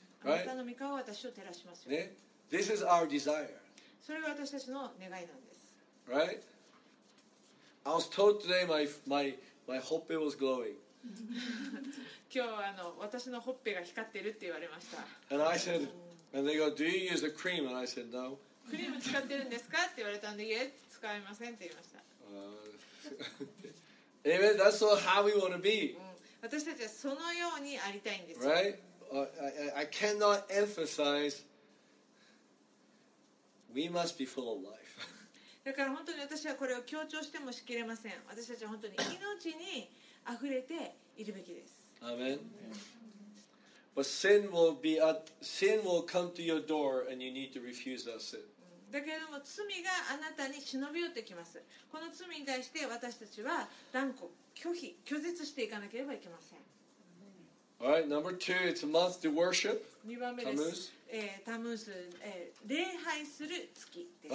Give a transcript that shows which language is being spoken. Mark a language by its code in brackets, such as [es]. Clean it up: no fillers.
[ja] あなたの御顔が私を照らしますよ。 [en] ね、This is our desire. [ja] それが私たちの願いなんです。 [en] Right? I was told today my hoppe was glowing. [ja] 今日私のほっぺが光ってるって言われました。 [en] And I said, and they go, do you use a cream? And I said, no. [ja] クリーム使ってるんですかって言われたんで、いえ、使いませんって言いました。 [en] Amen. That's how we want to be. [ja] 私たちはそのようにありたいんですよ。 [en] Right? I cannot emphasize. We must be full of life. [ja] だから本当に私はこれを強調してもしきれません。私たちは本当に命にあふれているべきです。アーメン。 [en] But sin will be at, sin will come to your door and you need to refuse that sin. [ja] だけれども罪があなたに忍び寄ってきます。この罪に対して私たちは断固拒否拒絶していかなければいけません。 [en] All right, number two, it's a month to worship. [ja] 2番目です。Tammuz. タムーズ、礼拝する月です。